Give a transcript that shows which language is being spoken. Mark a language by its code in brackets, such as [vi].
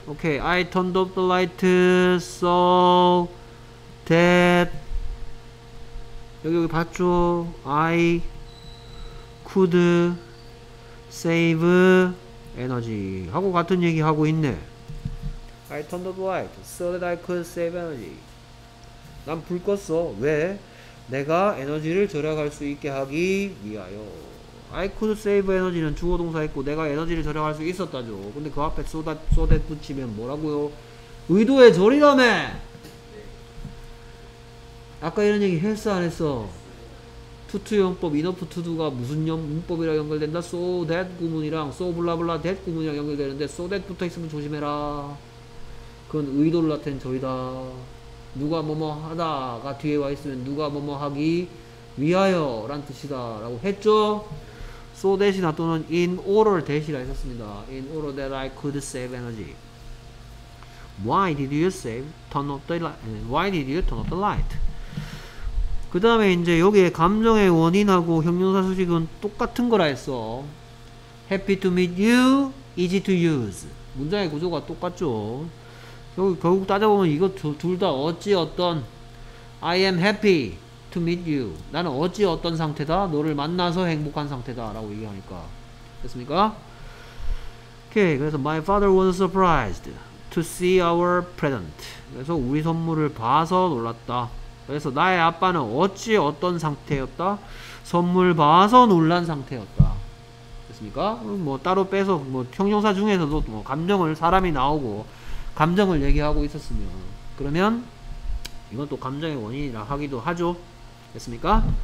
[en] Okay, I turned off the light so that [ko] 여기 봤죠? [en] I could save energy [ko] 하고 같은 얘기 하고 있네. [en] I turned off the light so that I could save energy. [ko] 난 불 껐어. 왜? 내가 에너지를 절약할 수 있게 하기 위하여. [en] I could save energy [ko] 는 주어 동사했고 내가 에너지를 절약할 수 있었다죠. 근데 그 앞에 so that 붙이면 뭐라고요? 의도의 절이라며. 아까 이런 얘기 했어 안 했어? 투투 용법 enough to do가 무슨 문법이랑 연결된다? so that 구문이랑 so blah blah that 구문이랑 연결되는데 so that 붙어있으면 조심해라. 그건 의도를 나타낸 절이다. 누가 뭐뭐 하다가 뒤에 와 있으면 누가 뭐뭐 하기 위하여 라는 뜻이다 라고 했죠. so that이나 또는 in order that이라 했었습니다. [en] in order that I could save energy. why did you save turn off the light? why did you turn off the light? [ko] 그 다음에 이제 여기에 감정의 원인하고 형용사 수식은 똑같은 거라 했어. [en] happy to meet you, easy to use. [ko] 문장의 구조가 똑같죠. 결국 따져보면 이거 둘 다 어찌 어떤 [en] I am happy to meet you. [ko] 나는 어찌 어떤 상태다? 너를 만나서 행복한 상태다 라고 얘기하니까 됐습니까? 오케이 그래서 [en] my father was surprised to see our present. [ko] 그래서 우리 선물을 봐서 놀랐다. 그래서 나의 아빠는 어찌 어떤 상태였다? 선물 봐서 놀란 상태였다. 됐습니까? 뭐 따로 빼서 뭐 형용사 중에서도 뭐 감정을 사람이 나오고 감정을 얘기하고 있었으면 그러면 이건 또 감정의 원인이라 하기도 하죠. 됐습니까?